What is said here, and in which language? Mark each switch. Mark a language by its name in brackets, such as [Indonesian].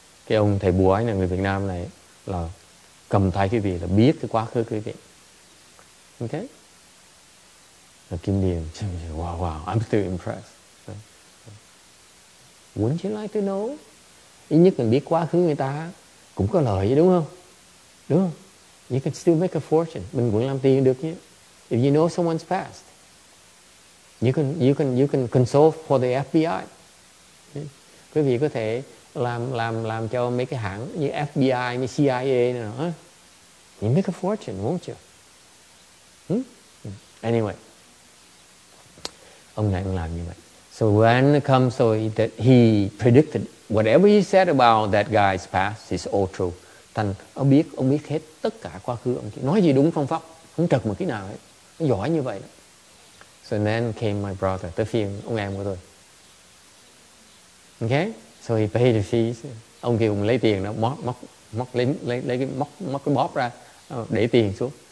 [Vietnamese] cái ông thầy bùa ấy là người Việt Nam này là cầm tay quý vị là biết cái quá khứ quý vị. Ok. [English] Là Kim Điền, wow, I'm still impressed. Wouldn't you like to know? [Vietnamese] Ít nhất mình biết quá khứ người ta cũng có lợi chứ, đúng không? Đúng không? [English] You can still make a fortune. [Vietnamese] Mình cũng làm tiền được chứ. [English] If you know someone's past, you can console for the FBI. [Vietnamese] Quý vị có thể làm cho mấy cái hãng như FBI, như CIA nữa. [English] You make a fortune, won't you? [Vietnamese] Anyway, ông này cũng làm như vậy. [English] So when it comes, so that he predicted whatever he said about that guy's past is all true. [Vietnamese] Thành ông biết hết tất cả quá khứ ông kia. Nói gì đúng phong pháp, không trật một cái nào hết. Nó giỏi như vậy đó. [English] So then came my brother, [Vietnamese] tới phiên ông em của tôi. [English] Okay, so he paid the fees. [Vietnamese] Ông kia cũng lấy tiền đó, móc cái bóp ra, để tiền xuống.